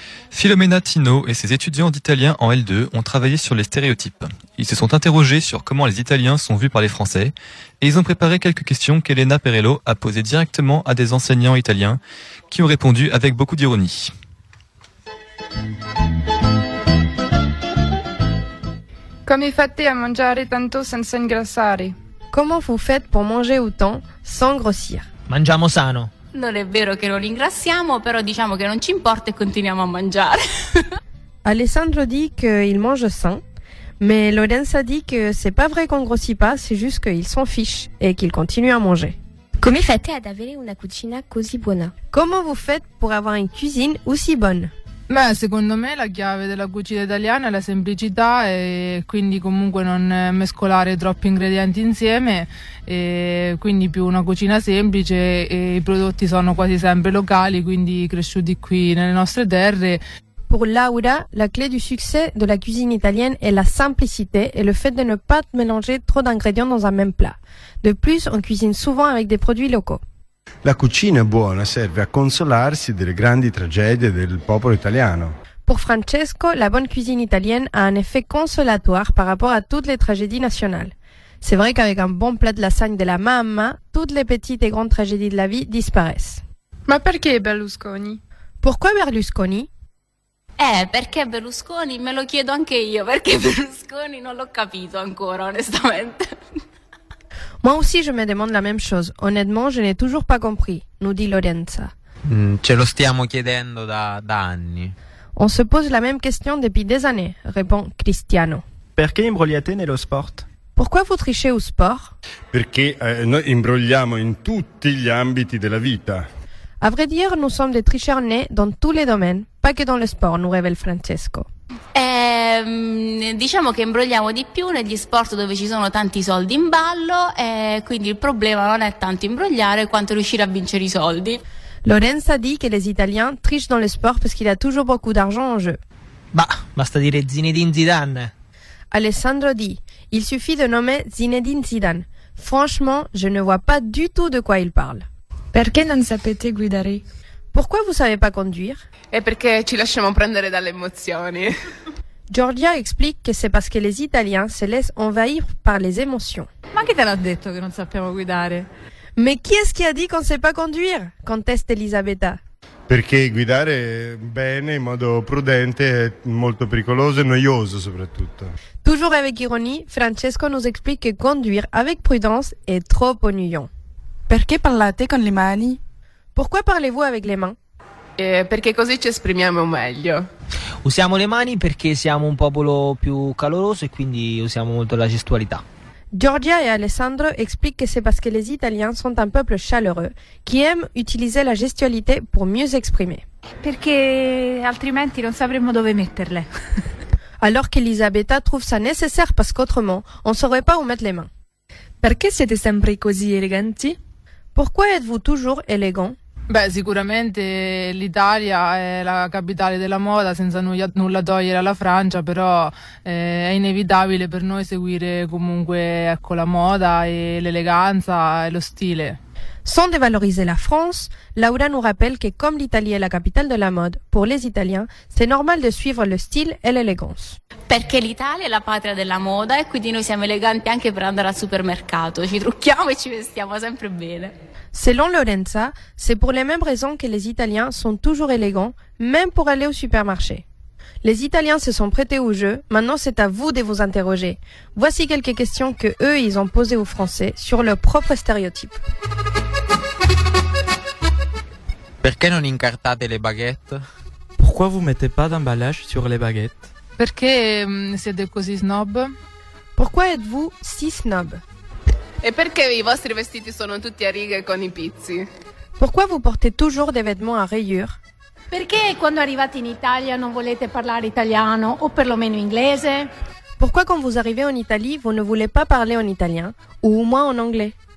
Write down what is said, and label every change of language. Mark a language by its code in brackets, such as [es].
[fr] Philomena Tino et ses étudiants d'italien en L2 ont travaillé sur les stéréotypes. Ils se sont interrogés sur comment les Italiens sont vus par les Français, et ils ont préparé quelques questions qu'Elena Perello a posées directement à des enseignants italiens, qui ont répondu avec beaucoup d'ironie. [it] Come fate a mangiare tanto senza ingrassare? [fr] Comment vous faites pour manger autant sans grossir? [it] Mangiamo sano. Non è vero che non ingrassiamo, però diciamo che non ci importa e continuiamo a mangiare. [fr] Alessandro dit qu'il mange sain, mais Lorenza dit que c'est pas vrai qu'on grossit pas, c'est juste qu'il s'en fiche et qu'il continue à manger. [it] Come fate ad avere una cucina così buona? [fr] Comment vous faites pour avoir une cuisine aussi bonne? [it] Beh, secondo me la chiave della cucina italiana è la semplicità e quindi comunque non mescolare troppi ingredienti insieme e quindi più una cucina semplice e i prodotti sono quasi sempre locali, quindi cresciuti qui nelle nostre terre. [fr] Pour Laura, la clé du succès de la cuisine italienne est la simplicité et le fait de ne pas mélanger trop d'ingrédients dans un même plat. De plus, on cuisine souvent avec des produits locaux. [it] La cucina buona serve a consolarsi delle grandi tragedie del popolo italiano. Per Francesco, la buona cucina italiana ha un effetto [fr] consolatoire par rapport [it] a tutte le tragedie nazionali. [fr] C'est vrai qu'avec un [it] buon [fr] plat de lasagne [it] della mamma, tutte le petite e grandi tragedie della vita [fr] disparaissent. [it] Ma perché Berlusconi? [fr] Pourquoi Berlusconi? [it] Perché Berlusconi? Me lo chiedo anche io, perché Berlusconi non l'ho capito ancora, onestamente. [fr] Moi aussi je me demande la même chose. Honnêtement, je n'ai toujours pas compris, nous dit Lorenza. [it] Ce lo stiamo chiedendo da anni. [fr] On se pose la même question depuis des années, répond Cristiano. [it] Perché imbrogliate nello sport? [fr] Pourquoi vous trichez au sport? [it] Perché noi imbrogliamo in tutti gli ambiti della vita. [fr] À vrai dire, nous sommes des tricheurs nés dans tous les domaines, pas que dans le sport, nous révèle Francesco. [it] Diciamo che imbrogliamo di più negli sport dove ci sono tanti soldi in ballo e quindi il problema non è tanto imbrogliare quanto riuscire a vincere i soldi. [fr] Lorenza dit que les Italiens trichent dans le sport parce qu'il y a toujours beaucoup d'argent en jeu. [it] Bah, basta dire Zinedine Zidane. [fr] Alessandro dit, il suffit de nommer Zinedine Zidane. Franchement, je ne vois pas du tout de quoi il parle. [it] Perché non sapete guidare? [fr] Pourquoi vous savez pas conduire? [it] È perché ci lasciamo prendere dalle emozioni. [fr] Giorgia explique que c'est parce que les Italiens se laissent envahir par les émotions. [it] Ma chi te l'ha detto che non sappiamo guidare? [fr] Mais qui est-ce qui a dit qu'on ne sait pas conduire? Conteste Elisabetta. [it] Perché guidare bene, in modo prudente, è molto pericoloso e noioso soprattutto. [fr] Toujours avec ironie, Francesco nous explique que conduire avec prudence est trop ennuyant. [it] Perché parlate con le mani? [fr] Pourquoi parlez-vous avec les mains? [it] Perché così ci esprimiamo meglio. Usiamo le mani perché siamo un popolo più caloroso e quindi usiamo molto la gestualità. [fr] Giorgia e Alessandro expliquent que c'est parce que les Italiens sont un peuple chaleureux qui aime utiliser la gestualité pour mieux s'exprimer. [it] Perché altrimenti non sapremmo dove metterle. [fr] Alors qu'Elisabetta trouve ça nécessaire parce qu'autrement, on ne saurait pas où mettre les mains. [it] Perché siete sempre così eleganti? [fr] Pourquoi êtes-vous toujours élégant? [it] Beh, sicuramente l'Italia è la capitale della moda, senza nulla togliere alla Francia, però è inevitabile per noi seguire comunque, ecco, la moda e l'eleganza e lo stile. [fr] Sans dévaloriser la France, Laura nous rappelle que comme l'Italie est la capitale de la mode, pour les Italiens, c'est normal de suivre le style et l'élégance. [it] Perché l'Italia è la patria della moda e quindi noi siamo eleganti anche per andare al supermercato. Ci trucchiamo e ci vestiamo sempre bene. [fr] Selon Lorenza, c'est pour les mêmes raisons que les Italiens sont toujours élégants, même pour aller au supermarché. Les Italiens se sont prêtés au jeu, maintenant c'est à vous de vous interroger. Voici quelques questions que eux, ils ont posées aux Français sur leur propre stéréotype. [it] Perché non incartate le baguette? [fr] Pourquoi vous mettez pas d'emballage sur les baguettes? [it] Perché siete così snob? [fr] Pourquoi êtes-vous si snob? [it] E perché i vostri vestiti sono tutti a righe con i pizzi? [fr] Pourquoi vous portez toujours des vêtements à rayures? [it] Perché quando arrivate in Italia non volete parlare italiano o perlomeno inglese? [fr] Pourquoi quand vous arrivez en Italie, vous ne voulez pas parler en italien ou au moins en anglais?